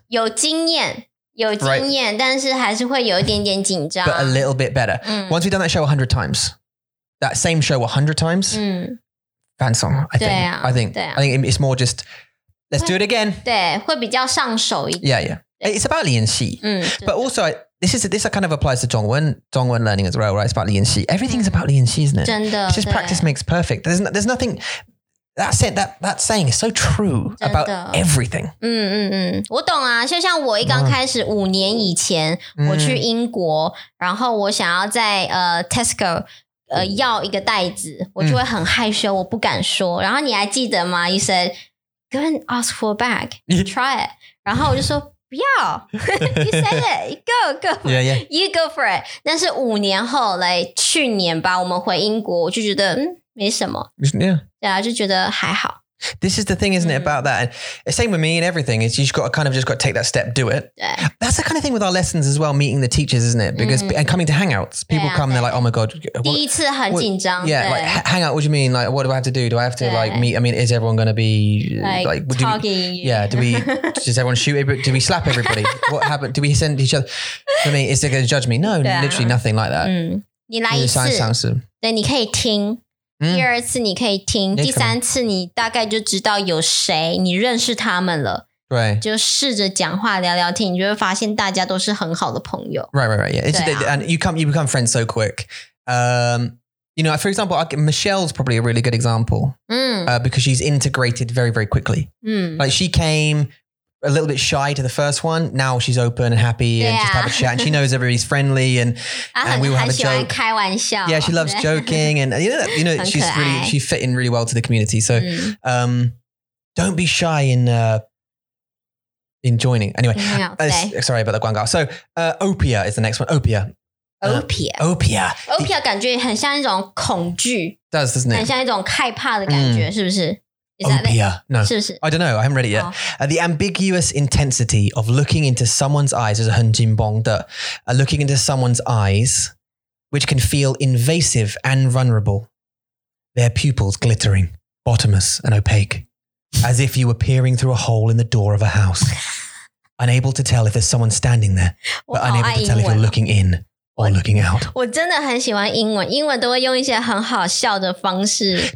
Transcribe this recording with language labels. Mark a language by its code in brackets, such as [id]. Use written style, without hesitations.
[zh] 有经验，但是还是会有一点点紧张。 [en] But a little bit better. Once we've done that show 100 times, that same show 100 times, 放松, I think it's more just, let's do it again. [zh] 对，会比较上手一点。 [en] Yeah, yeah. It's about Lianxi. But also, this kind of applies to Zhongwen learning as well, right? It's about Lianxi. Everything's about Lianxi, isn't it? [zh] 真的, [en] it's just practice makes perfect. There's nothing, that saying is so true about everything. [zh] 我懂啊, 就像我一刚开始五年以前, 我去英国, 然后我想要在, Tesco, 要一个袋子, 我就会很害羞, 我不敢说, 然后你还记得吗? [en] You said, go and ask for a bag. Try it. [zh] 然后我就说, [en] Yeah, you said it. Go. Yeah, yeah. You go for it. [zh] 但是五年后，来去年吧，我们回英国，我就觉得没什么。对啊，就觉得还好。 [en] This is the thing, isn't it, about that? And same with me and everything. It's you've got to kind of just got to take that step, do it. That's the kind of thing with our lessons as well, meeting the teachers, isn't it? Because and coming to hangouts, people come, they're like, oh my God. [zh] 第一次很紧张。 [en] Yeah, like hangout, what do you mean? Like, what do I have to do? Do I have to like meet? I mean, is everyone going to be like talking? Yeah, does everyone shoot everybody? Do we slap everybody? What happened? Do we send each other? I mean, is they going to judge me? No, literally nothing like that. [zh] 你来一次，对，你可以听。第二次你可以听 第三次你大概就知道有谁你认识他们了就试着讲话聊聊天 你就会发现大家都是很好的朋友 [en] Right, and you become friends so quick you know, for example, Michelle's probably a really good example because she's integrated very, very quickly like she came a little bit shy to the first one. Now she's open and happy and just have a chat. And she knows everybody's friendly and we will have a joke. 开玩笑, yeah, she loves joking. And you know she's really, she fit in really well to the community. So don't be shy in joining. Anyway, sorry about the 广告.So Opia is the next one. Opia. [zh] Opia. Opia. Opia感觉很像一种恐惧. [en] Does, doesn't it? [zh] 很像一种害怕的感觉,是不是? [en] Opia. No. I don't know. I haven't read it yet. The ambiguous intensity of looking into someone's eyes is a [zh] 很紧绷的, [en] looking into someone's eyes, which can feel invasive and vulnerable. Their pupils glittering, bottomless and opaque, as if you were peering through a hole in the door of a house, unable to tell if there's someone standing there, but unable to tell if you're looking in. Or looking out. [zh] 我真的很喜欢英文，英文都会用一些很好笑的方式